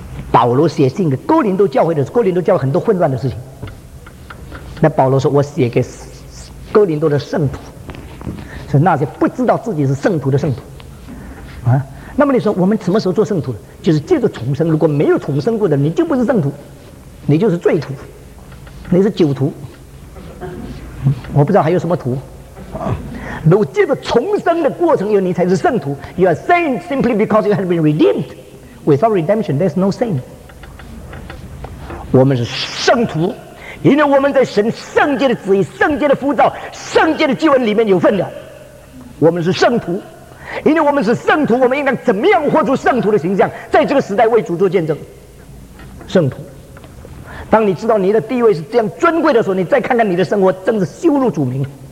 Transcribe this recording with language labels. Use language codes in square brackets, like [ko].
[zh] 保罗写信给哥林多教会的时候，哥林多教会很多混乱的事情，那保罗说我写给哥林多的圣徒，是那些不知道自己是圣徒的圣徒啊。那么你说我们什么时候做圣徒的，就是借着重生。如果没有重生过的，你就不是圣徒，你就是罪徒，你是酒徒，我不知道还有什么徒。如果借着重生的过程以后你才是圣徒。 [en] You are saint simply because you have been redeemedWithout redemption, there's no sin. [zh] 我们是圣徒，因为我们在神圣洁的旨意、圣洁的呼召、圣洁的救恩里面有份的。我们是圣徒，因为我们是圣徒，我们应该怎么样活出圣徒的形象，在这个时代为主做见证。圣徒，当你知道你的地位是这样尊贵的时候，你再看看你的生活，真是羞辱主名。